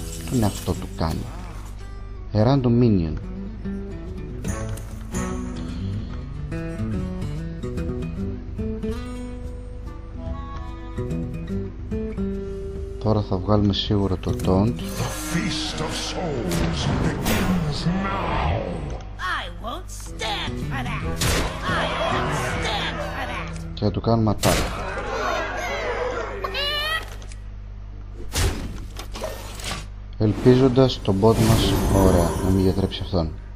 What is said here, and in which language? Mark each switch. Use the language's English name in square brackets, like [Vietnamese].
[Greek] Τι είναι αυτό του κάνει? [English] A random minion. [Greek] Τώρα θα βγάλουμε σίγουρα το taunt. [English] The Feast of Souls begins now. I won't stand for that. I won't stand for that. [Greek] Και θα του κάνουμε attack. Ελπίζοντας τον bot μας, ωραία, να μην γιατρέψει αυτόν.